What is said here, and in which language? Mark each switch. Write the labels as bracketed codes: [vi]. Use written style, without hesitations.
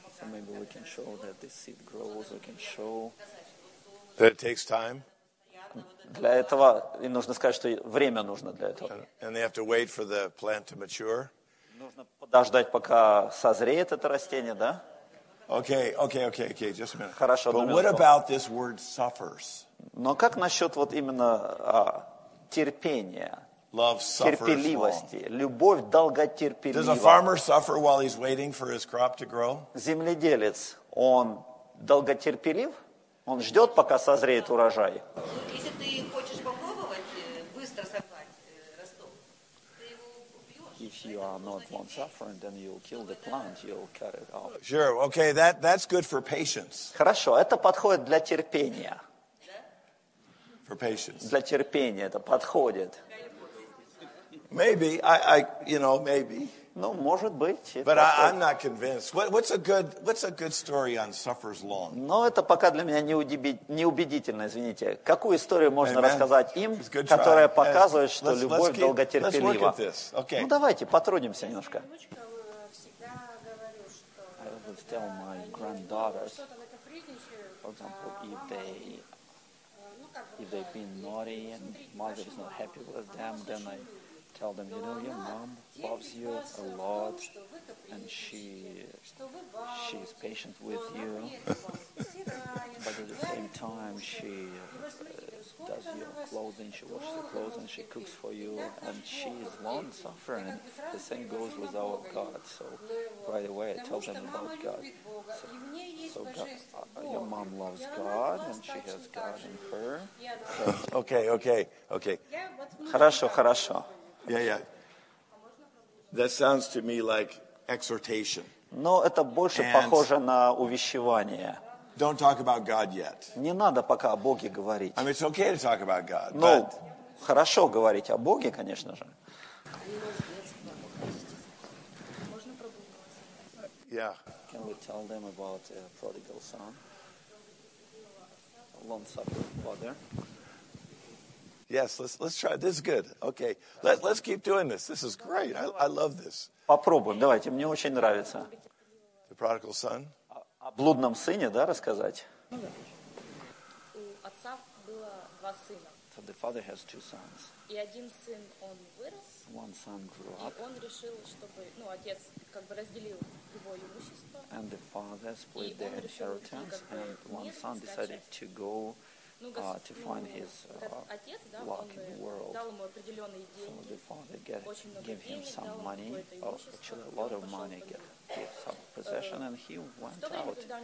[en] Maybe we can show that the seed grows, we can show that it takes time. [ru] Для этого им нужно сказать, что время нужно для этого. [en] And they have to wait for the plant to mature. [ru] Нужно подождать, пока созреет это растение, да? [en] Okay, just a minute. [ru] Хорошо, [en] But what about this word suffers? [ru] Но как насчет вот именно терпения? [en] Love suffers [ru] терпеливости, [en] long. [ru] Любовь долготерпелива. [en] Does a farmer suffer while he's waiting for his crop to grow? [ru] Земледелец, он долготерпелив? Он ждет, пока созреет урожай? Если ты хочешь попробовать быстро собрать росток, ты его убьешь. [en] If you are not one suffering, then you'll kill the plant, you'll cut it off. Sure, okay, that's good for patience. [ru] Хорошо, это подходит для терпения. [en] For patience. [ru] Для терпения это подходит. [en] Maybe I you know maybe. [ru] Ну, может быть. [en] But I'm not convinced. What's a good story on suffers long? [ru] Но это пока для меня неубедительно, извините. Какую историю можно рассказать им, которая показывает, что любовь долготерпелива? [en] Let's look at this. Okay. [ru] Ну давайте потрудимся немножко. [en] I always tell my granddaughters, for example, if they've been naughty and mother is not happy with them, then I tell them, you know, your mom loves you a lot, and she is patient with you, but at the same time, she does your clothing, she washes your clothes, and she cooks for you, and she is long-suffering. The same goes with our God, so right away I tell them about God. So your mom loves God, and she has God in her. So. Okay. [ru] Хорошо. [en] Yeah. That sounds to me like exhortation. [ru] Но это больше похоже на увещевание. [en] Don't talk about God yet. [ru] Не надо пока о Боге говорить. [en] I mean, it's okay to talk about God. [ru] Ну, хорошо говорить о Боге, конечно же. [en] Yeah. Can we tell them about a prodigal son? Long-suffering father. Yes, let's try. This is good. Okay, let's keep doing this. This is great. I love this. [ru] Попробуем. Давайте, мне очень нравится. [en] The prodigal son. [ru] О блудном сыне, да, рассказать? У отца было два сына. [en] So the father has two sons. [ru] И один сын он вырос. [en] One son grew up. [ru] И он решил, чтобы, ну, отец как бы разделил его имущество. [en] And the father split the inheritance, and one son decided to go. To find his luck in the world. So the father gave him some money, or actually a lot of money, gave some possession, and he went out.